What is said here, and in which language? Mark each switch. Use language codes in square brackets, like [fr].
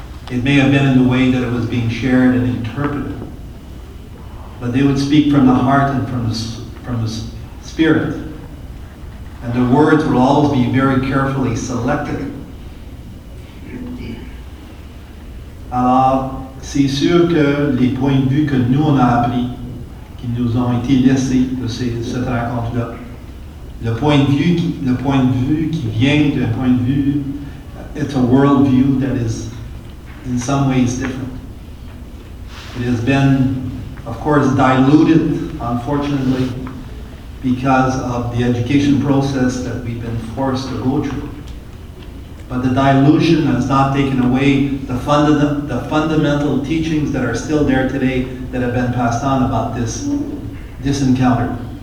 [en] It may have been in the way that it was being shared and interpreted, but they would speak from the heart and from the spirit. And the words will always be very carefully selected. [fr] Alors, c'est sûr que les points de vue que nous, on a appris, qui nous ont été laissés de cette rencontre-là, le point de vue qui vient d'un point de vue, [en] it's a world view that is, in some ways, different. It has been, of course, diluted, unfortunately, because of the education process that we've been forced to go through. But the dilution has not taken away the fundamental teachings that are still there today that have been passed on about this encounter.